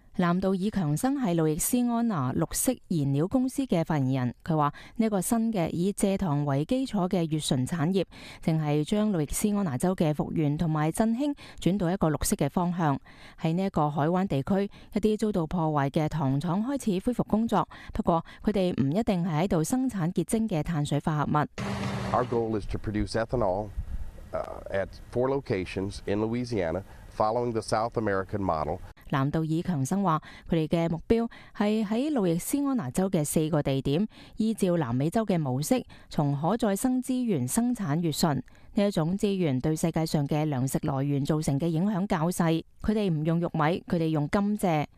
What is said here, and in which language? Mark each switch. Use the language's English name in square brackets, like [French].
[Chinese] 南道尔强生是路易斯安那绿色燃料公司的发言人，他说这个新的以蔗糖为基础的乙醇产业正是将路易斯安那州的复原和振兴转到一个绿色的方向。在这个海湾地区，一些遭到破坏的糖厂开始恢复工作，不过他们不一定是在生产结晶的碳水化合物。 [English] Our goal is to produce ethanol at four locations in Louisiana following the South American model。 [Chinese] 南道尔强生说，他们的目标是在路易斯安那州的四个地点依照南美洲的模式，从可再生资源生产乙醇。这种资源对世界上的粮食来源造成的影响较小，他们不用玉米，他们用甘蔗。